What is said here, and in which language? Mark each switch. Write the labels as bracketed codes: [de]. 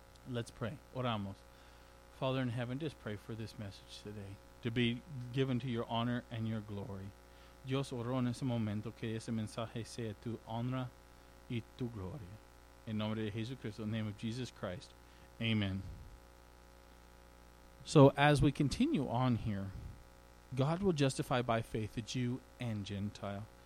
[en] Let's pray. [es] Oramos. [en] Father in heaven, just pray for this message today. To be given to your honor and your glory. [es] Dios oro en ese momento que ese mensaje sea tu honra y tu gloria. En nombre de Jesucristo, [en] in the name of Jesus Christ. [es] Amen. [en] So as we continue on here, God will justify by faith the Jew and Gentile.